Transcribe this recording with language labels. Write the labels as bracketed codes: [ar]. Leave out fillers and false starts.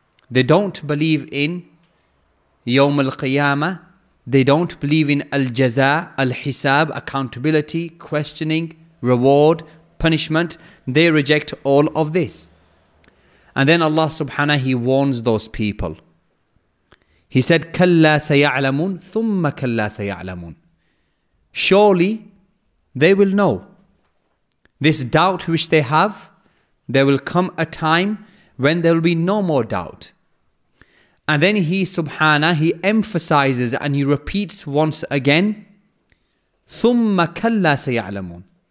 [en] They don't believe in Yawm al-Qiyamah. They don't believe in Al-Jaza, Al-Hisab, accountability, questioning, reward, punishment. They reject all of this. And then Allah subhanahu, He warns those people. He said, [ar] كَلَّا سَيَعْلَمُونَ ثُمَّ كَلَّا سَيَعْلَمُونَ. [en] Surely, they will know. This doubt which they have, there will come a time when there will be no more doubt. And then He subhanahu, He emphasizes and He repeats once again, [ar] ثُمَّ كَلَّا سَيَعْلَمُونَ.